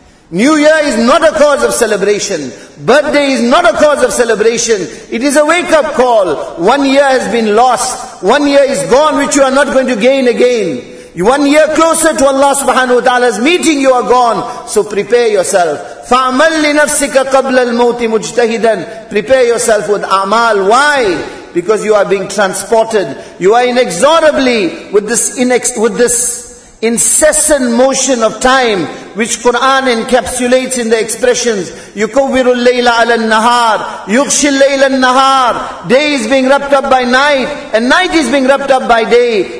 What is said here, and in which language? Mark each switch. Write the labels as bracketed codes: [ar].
[en] New year is not a cause of celebration. Birthday is not a cause of celebration. It is a wake-up call. 1 year has been lost. 1 year is gone, which you are not going to gain again. 1 year closer to Allah subhanahu wa ta'ala's meeting, you are gone. So prepare yourself. [ar] فَعْمَلْ لِنَفْسِكَ قَبْلَ الْمَوْتِ مُجْتَهِدًا [en] Prepare yourself with a'mal. Why? Because you are being transported. You are inexorably with this incessant motion of time, which Quran encapsulates in the expressions, [ar] يُكَوِّرُ اللَّيْلَ عَلَى النَّهَارِ يُغْشِ اللَّيْلَ النَّهَارِ [en] Day is being wrapped up by night, and night is being wrapped up by day.